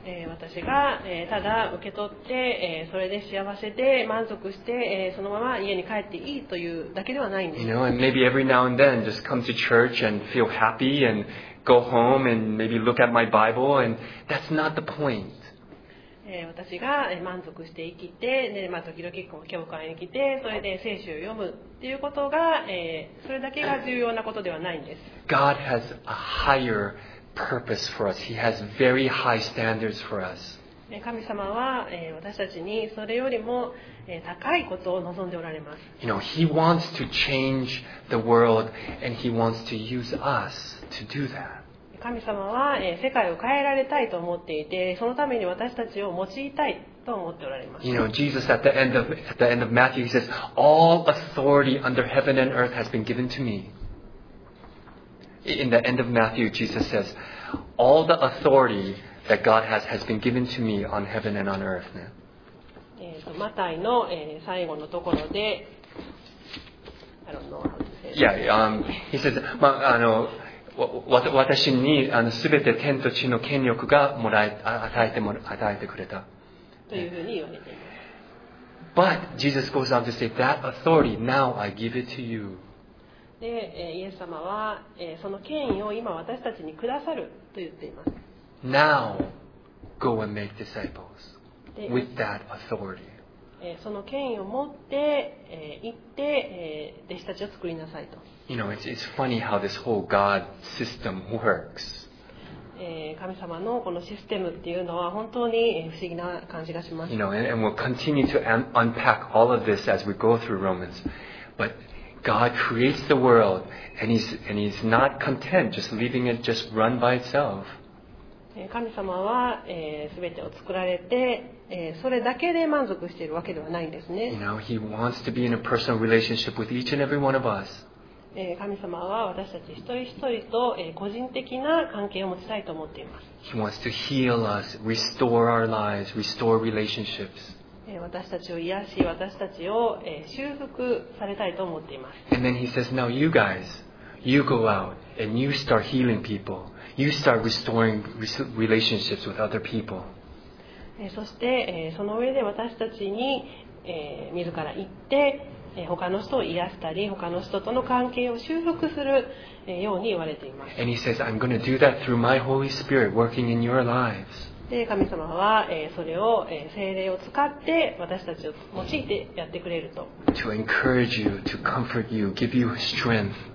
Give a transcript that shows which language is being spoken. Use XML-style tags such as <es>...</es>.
<ja>私が、ただ受け取って、それで幸せで満足して、そのまま家に帰っていいというだけではないんです。</ja> <en>You know, and maybe every now and then just come to church and feel happy andGo home and maybe look at my Bible, and that's not the point.</en> <ja>私が満足して生きて、ね、まあ時々教会に来て、それで聖書を読むっていうことが、それだけが重要なことではないんです。</ja> <en>God has a higher purpose for us. He has very high standards for us.</en> <ja>神様は、私たちにそれよりも、高いことを望んでおられます。</ja> <en>You know, He wants to change the world, and He wants to use us. To do that.</en> <ja>神様は、世界を変えられたいと思っていて、そのために私たちを用いたいと思っておられます。</ja> <en>You know, Jesus at the end of Matthew, he says, "All authority under heaven and earth has been given to me." in the end of Matthew, Jesus says, all the authority that God has been given to me on heaven and on earth.</en> <ja>マタイの最後のところで、</ja> <en>He says,</en> <ja>まあ、あの、私にあの全て天と地の権力がもらえ、与えてくれた。というふうに言われています。</ja> <en>But Jesus goes on to say, that authority now I give it to you.</en> <ja>で、イエス様は、その権威を今私たちにくださると言っています。</ja> <en>Now go and make disciples with that authority.</en> <ja>その権威を持って、行って、弟子たちを作りなさいと。</ja> <en>You know, it's funny how this whole God system works.</en> <ja>神様のこのシステムっていうのは本当に不思議な感じがします。</ja> <en>You know, and we'll continue to unpack all of this as we go through Romans. But God creates the world, and he's not content just leaving it just run by itself.</en> <ja>神様は、全てを作られて、それだけで満足しているわけではないんですね。</ja> <en>You know, he wants to be in a personal relationship with each and every one of us.</en> <ja>神様は私たち一人一人と、個人的な関係を持ちたいと思っています。</ja> <en>He wants to heal us, restore our lives, restore relationships.</en> <ja>私たちを癒し、私たちを、修復されたいと思っています。</ja> <en>And then he says, now you guys, you go out and you start healing people. You start restoring relationships with other people.</en> <ja>そして、その上で私たちに、自ら行って、他の人を癒したり他の人との関係を修復するように言われています。</ja> <en>And he says, I'm going to do that through my Holy Spirit working in your lives.</en> <ja>神様はそれを聖霊を使って私たちを用いてやってくれると。</ja> <en>To encourage you, to comfort you, give you strength.</en>